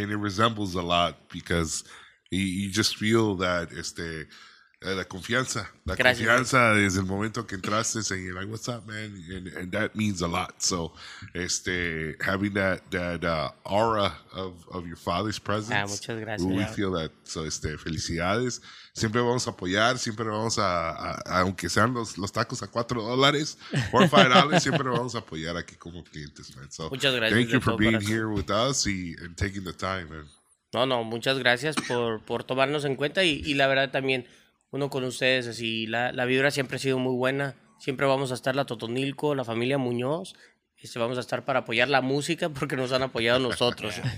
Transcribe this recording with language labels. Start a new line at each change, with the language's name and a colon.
English: And it resembles a lot because you just feel that
Spanish: la confianza. La gracias, confianza es el momento que entraste
English: and you're like, what's up, man? And that means a lot. So having that aura of your father's presence.
Spanish: Ah, muchas gracias.
English: We feel that. So felicidades.
Spanish: Siempre vamos a apoyar, siempre vamos a aunque sean los tacos a $4 or $5, siempre vamos a apoyar aquí como clientes, man.
English: So
Spanish: muchas gracias,
English: thank you for being here with us and taking the time, man.
Spanish: No, muchas gracias por tomarnos en cuenta y la verdad también uno con ustedes, así, la vibra siempre ha sido muy buena. Siempre vamos a estar la Atotonilco, la familia Muñoz. Vamos a estar para apoyar la música porque nos han apoyado nosotros.